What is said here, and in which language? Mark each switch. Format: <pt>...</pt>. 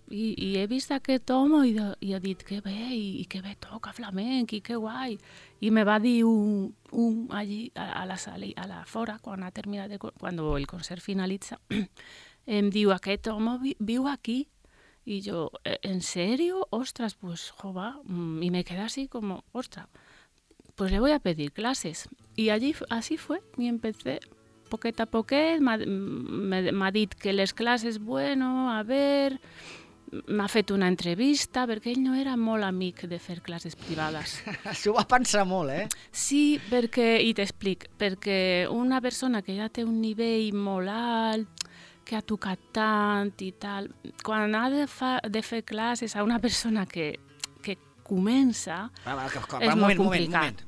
<ca>I he vist aquest home i he dit, que bé, i que bé toca flamenc i que guai. I me va dir un allí a la sala, a la fora, quan ha terminat, quan el concert finalitza, em diu, aquest home viu aquí. I jo, en sèrio? Ostres, pues jova. I me queda així com, ostres.</ca> <es>Pues le voy a pedir clases. Y allí así fue y empecé</es> <ca>poquet a poquet. Me ha dit que les clases,</ca> <es>bueno, a ver...</es> <ca>M'ha fet una entrevista perquè ell no era molt amic de fer classes privades. S'ho va pensar molt, eh? Sí, perquè, i t'explic, perquè una persona que ja té un nivell molt alt, que ha tocat tant i tal, quan ha de fer classes a una persona que comença, és molt complicat.</ca>